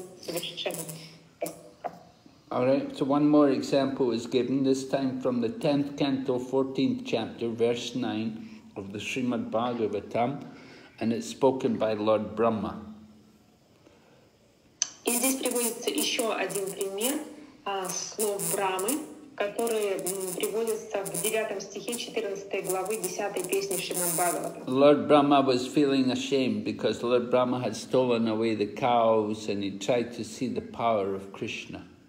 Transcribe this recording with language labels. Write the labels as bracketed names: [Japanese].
[English] All right, so one more example is given, this time from the 10th canto, 14th chapter, verse 9 of the Srimad Bhagavatam, and it's spoken by Lord Brahma. [Russian] И здесь приводится еще один пример слов Брамы, которые приводятся в 9 стихе 14 главы 10 песни Шримад Бхагаватам. [English] Lord Brahma was feeling ashamed because Lord Brahma had stolen away the cows and he tried to see the power of Krishna.